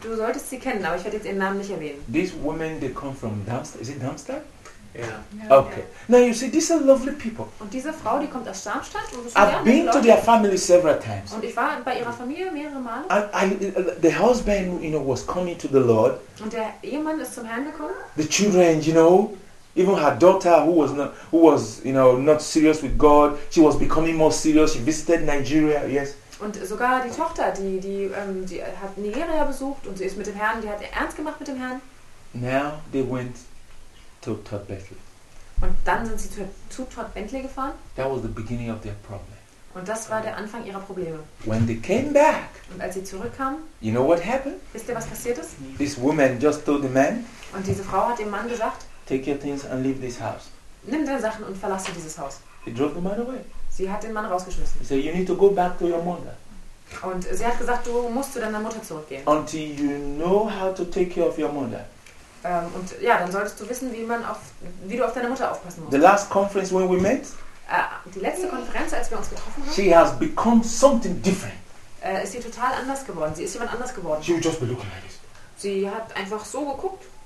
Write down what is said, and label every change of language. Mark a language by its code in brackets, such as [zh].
[de] Du solltest sie kennen, aber ich werde jetzt ihren Namen nicht erwähnen. [en] This woman, they come from Darmstadt. Is it Darmstadt? Yeah. Okay. Now you see, these are lovely people. [de] Und diese Frau, die kommt aus Darmstadt. [en] I've been to their family several times. [de] Und ich war bei ihrer Familie mehrere Male. [en] The husband, you know, was coming to the Lord. [de] Und der Ehemann ist zum Herrn gekommen. [en] The children, you know. Even her daughter, who was, you know, not serious with God, she was becoming more serious. She visited Nigeria, yes. [de] Und sogar die Tochter, die hat Nigeria besucht und sie ist mit dem Herrn, die hat ernst gemacht mit dem Herrn. [en] Now they went to Todd Bentley. [de] Und dann sind sie zu Todd Bentley gefahren. [en] That was the beginning of their problem. [de] Und das war der Anfang ihrer Probleme. [en] When they came back. [de] Und als sie zurückkamen. [en] You know what happened? [de] Wisst ihr, was passiert ist? [en] This woman just told the man. [de] Und diese Frau hat dem Mann gesagt. [en] Take your things and leave this house. [de] Nimm deine Sachen und verlasse dieses Haus. [en] He drove the man away. [de] Sie hat den Mann rausgeschmissen. [en] He said, you need to go back to your mother. [de] Und sie hat gesagt, du musst zu deiner Mutter zurückgehen. [en] Until you know how to take care of your mother. [de] Und ja, dann solltest du wissen, wie du auf deine Mutter aufpassen musst. [en] The last conference when we met. [de] Die letzte Konferenz, als wir uns getroffen haben. [en] She has become something different. [de] Ist sie total anders geworden. Sie ist jemand anders geworden. [en] She would just be looking like this. [de] Sie hat einfach so geguckt.